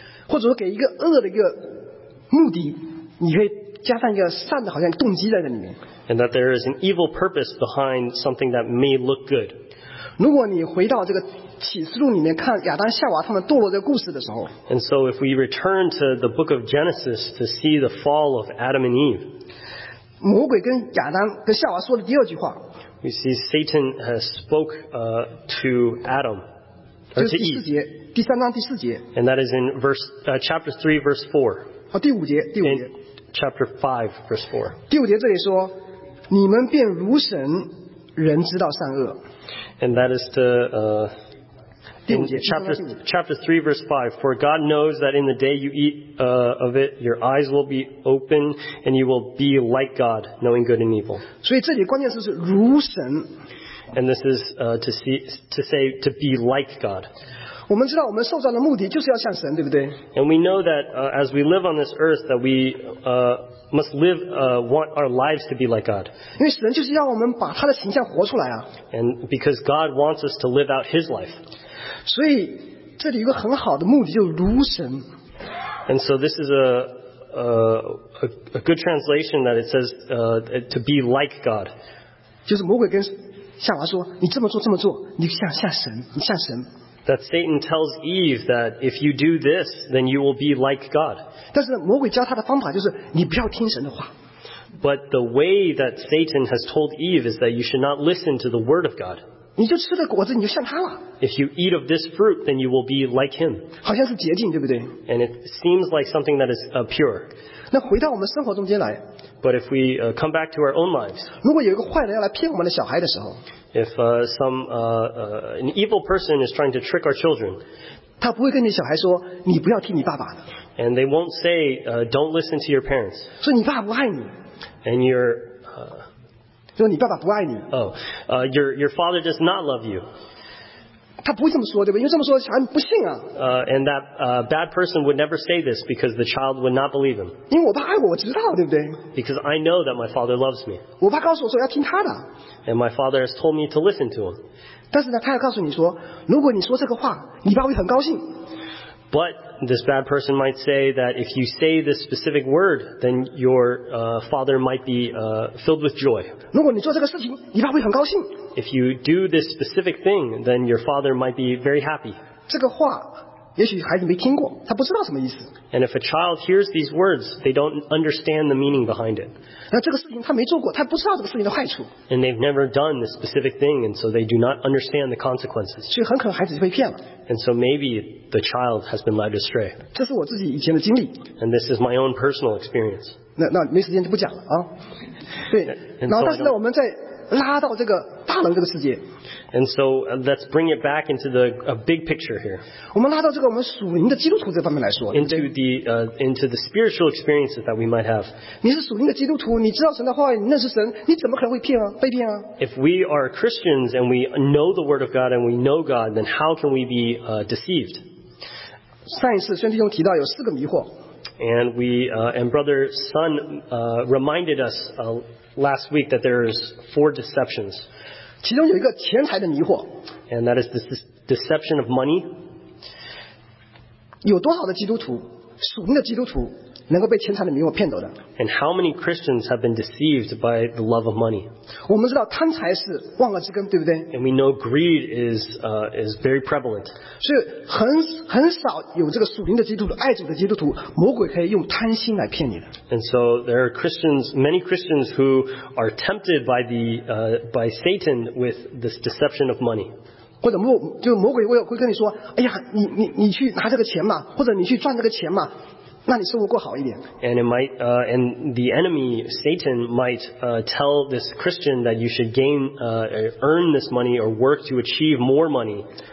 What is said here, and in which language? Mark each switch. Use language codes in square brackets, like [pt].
[zh] 或者说给一个恶的一个目的，你可以加上一个善的好像动机在里面。 [en] And that there is an evil purpose behind something that may look good. [zh] 如果你回到这个启示录里面看亚当夏娃他们堕落这个故事的时候， [en] And so if we return to the book of Genesis to see the fall of Adam and Eve, [zh] 魔鬼跟亚当跟夏娃说的第二句话， [en] We see Satan has spoke to Adam, or to Eve. [zh] 第三章第四节。 [en] And that is in verse, chapter 3 verse 4. [zh] 第五节，第五节。 [en] Chapter 5, verse 4. [zh] 第五节这里说，你们便如神，人知道善恶。 [en] And that is the [zh] 第五节 [en] chapter 3, verse 5. For God knows that in the day you eat of it, your eyes will be open, and you will be like God, knowing good and evil. [zh] 所以这里关键是如神。 [en] And this is to say to be like God. [zh] 我们知道我们受造的目的就是要像神，对不对？ [en] And we know that as we live on this earth, that we must live, want our lives to be like God. [zh] 因为神就是要我们把他的形象活出来啊。 [en] And because God wants us to live out His life. [zh] 所以这里有一个很好的目的，就是如神。 [en] And so this is a good translation that it says to be like God. [zh] 就是魔鬼跟夏娃说：“你这么做，这么做，你像神，你像神。” [en] That Satan tells Eve that if you do this, then you will be like God. [zh] 但是魔鬼教他的方法就是你不要听神的话。 [en] But the way that Satan has told Eve is that you should not listen to the word of God. [zh] 你就吃了果子，你就像他了。 [en] If you eat of this fruit, then you will be like him. [zh] 好像是洁净，对不对？ [en] And it seems like something that is pure. [zh] 那回到我们生活中间来。 [en] But if we come back to our own lives, [zh] 如果有一个坏人要来骗我们的小孩的时候， [en] if an evil person is trying to trick our children, [zh] 他不会跟你小孩说你不要听你爸爸的， [en] and they won't say don't listen to your parents. [zh] 说你爸不爱你， [en] and your [zh] 说你爸爸不爱你， [en] your father does not love you. [zh] 他不会这么说，对吧？因为这么说小孩不信啊。 [en] And that bad person would never say this because the child would not believe him. [zh] 因为我爸爱我，我知道，对不对？ [en] Because I know that my father loves me. [zh] 我爸告诉我说要听他的。 [en] And my father has told me to listen to him. [zh] 但是呢，他要告诉你说，如果你说这个话，你爸会很高兴。 [en] But this bad person might say that if you say this specific word, then your father might be filled with joy. [zh] 如果你做这个事情，你爸会很高兴。 [en] If you do this specific thing, then your father might be very happy. [zh] 这个话也许孩子没听过，他不知道什么意思。 [en] And if a child hears these words, they don't understand the meaning behind it. [zh] 那这个事情他没做过，他不知道这个事情的坏处。 [en] And they've never done this specific thing, and so they do not understand the consequences. [zh] 所以很可能孩子就被骗了。 [en] And so maybe the child has been led astray. [zh] 这是我自己以前的经历。 [en] And this is my own personal experience. [zh] 那没时间就不讲了啊。对， [en] and [zh] 然后但是呢，我们再拉到这个大人这个世界。 [en] And so let's bring it back into the big picture here. [zh] 我们拉到这个我们属灵的基督徒这方面来说。 [en] Into the spiritual experiences that we might have. [zh] 你是属灵的基督徒，你知道神的话，你认识神，你怎么可能会骗啊，被骗啊？ [en] If we are Christians and we know the word of God and we know God, then how can we be deceived? [zh] 上一次宣弟兄提到有四个迷惑。 [en] And we and Brother Sun reminded us last week that there is four deceptions. [zh] 其中有一个钱财的迷惑。 [en] And that is the deception of money. [zh] 有多少的基督徒，属灵的基督徒，能够被钱财的迷惑骗走的？ [en] And how many Christians have been deceived by the love of money? [zh] 我们知道贪财是万恶之根，对不对？ [en] And we know greed is very prevalent. [zh] 所以很少有这个属灵的基督徒、爱主的基督徒，魔鬼可以用贪心来骗你的。 [en] And so there are Christians, many Christians who are tempted by the by Satan with this deception of money. [zh] 或者魔鬼会跟你说，哎呀，你去拿这个钱嘛，或者你去赚这个钱嘛，那你生活过好一点。 [en] And it might, and the enemy Satan might tell this Christian that you should gain, earn this money or work to achieve more money.